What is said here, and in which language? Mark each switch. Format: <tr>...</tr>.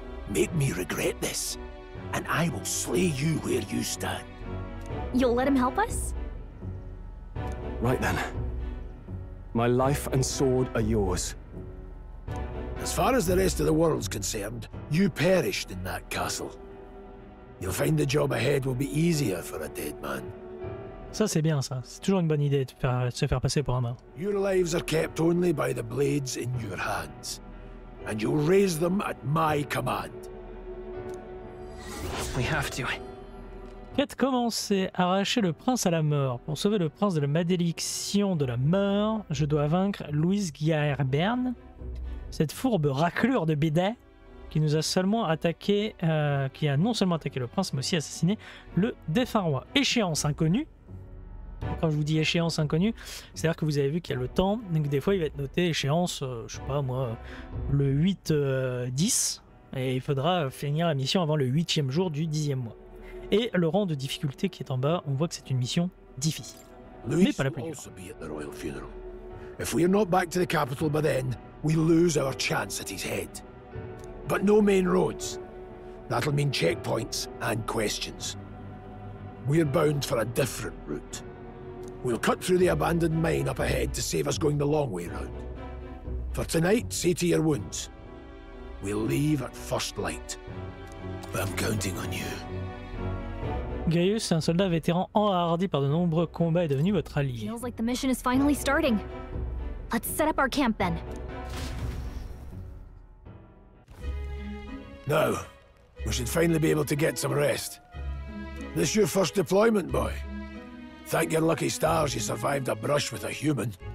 <en>Make me regret this, and I will slay you where you stand. You'll let him help us? Right then. My life and sword are yours. As far as the rest of the world's concerned, you perished in that castle. You'll find the job ahead will be easier for a dead man.</en> <fr>Ça c'est bien ça. C'est toujours une bonne idée de se faire passer pour un mort.</fr> <en>Your lives are kept only by the blades in your hands. And you'll raise them at my command. We have to.</en> <fr>Quête commencée. Arracher le prince à la mort. Pour sauver le prince de la malédiction de la mort, je dois vaincre Luis Ciaburn, cette fourbe raclure de bidet qui nous a seulement attaqué, qui a non seulement attaqué le prince, mais aussi assassiné le défunt roi. Échéance inconnue. Quand je vous dis échéance inconnue, c'est-à-dire que vous avez vu qu'il y a le temps, donc des fois il va être noté échéance, je sais pas moi, le 8-10, et il faudra finir la mission avant le 8e jour du 10e mois. Et le rang de difficulté qui est en bas, on voit que c'est une mission difficile, Luis, mais pas la plus dure.</fr> <en>Luis will also be at the royal funeral. If we are not back to the capital by then, we lose our chance at his head. But no main roads. That'll mean checkpoints and questions. We're bound for a different route. We'll cut through the abandoned mine up ahead to save us going the long way round. For tonight, see to your wounds. We'll leave at first light. But I'm counting on you.</en> <fr>Gaius, un soldat vétéran enhardi par de nombreux combats, est devenu votre allié.</fr> <en>Feels like the mission is finally starting. Let's set up our camp then. Now, we should finally be able to get some rest. This your first deployment, boy? Thank your lucky stars you survived a brush with a human.</en>